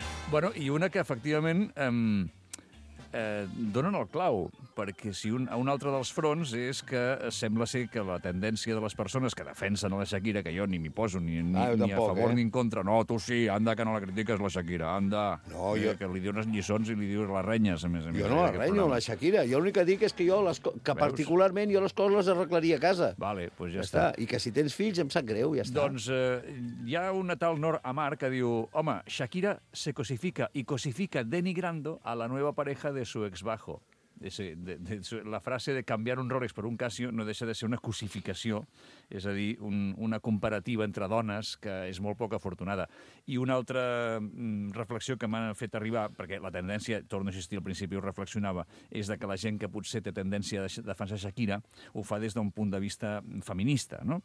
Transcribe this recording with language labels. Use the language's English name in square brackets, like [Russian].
[Catalan] Bueno, i una que efectivament donen el clau, perquè si un, un altre dels fronts és que sembla ser que la tendència de les persones que defensen la Shakira, que jo ni m'hi poso ni a favor ni en contra, no, tu sí, anda, que no la critiques, la Shakira, anda. No, jo... Que li dones lliçons i li dius les renyes, a més a més. Jo no la renyo, la Shakira. Jo l'únic que dic és que jo, les que veus? Particularment, jo les coses les arreglaria a casa. Vale, pues ja està. I que si tens fills em sap greu, ja està. Doncs hi ha una tal Nor Amar que diu, home, [Spanish] Shakira se cosifica y cosifica denigrando a la nueva pareja de su ex bajo. [Catalan] La frase de canviar un Rolex per un Casio no deixa de ser una cosificació, és a dir, una comparativa entre dones que és molt poc afortunada. I una altra reflexió que m'han fet arribar, perquè la tendència, torno a insistir al principi, ho reflexionava, és que la gent que potser té tendència a defensar Shakira ho fa des d'un punt de vista feminista, no?